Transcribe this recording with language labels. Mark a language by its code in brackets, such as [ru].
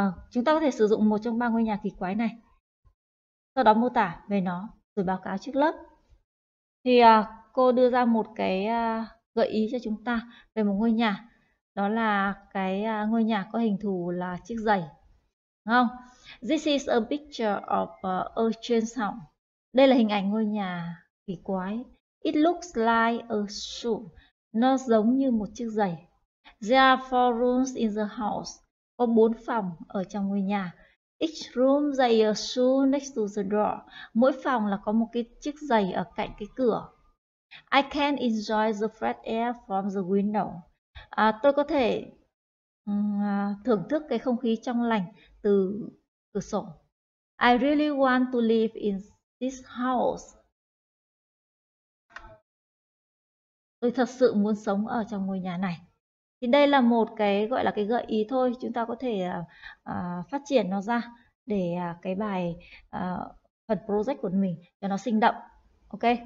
[vi] Chúng ta có thể sử dụng một trong 3 ngôi nhà kỳ quái này, sau đó mô tả về nó rồi báo cáo trước lớp. Thì cô đưa ra một cái gợi ý cho chúng ta về một ngôi nhà, đó là cái ngôi nhà có hình thù là chiếc giày, đúng không? [en] This is a picture of a strange house. [vi] Đây là hình ảnh ngôi nhà kỳ quái. [en] It looks like a shoe. [vi] Nó giống như một chiếc giày. [en] There are 4 rooms in the house. [vi] Có 4 phòng ở trong ngôi nhà. [en] Each room they a shoe next to the door. [vi] Mỗi phòng là có một cái chiếc giày ở cạnh cái cửa. [en] I can enjoy the fresh air from the window. [vi] Tôi có thể thưởng thức cái không khí trong lành từ cửa sổ. [en] I really want to live in this house. [vi] Tôi thật sự muốn sống ở trong ngôi nhà này. Thì đây là một cái gọi là cái gợi ý thôi, chúng ta có thể phát triển nó ra để cái bài phần project của mình cho nó sinh động. Ok.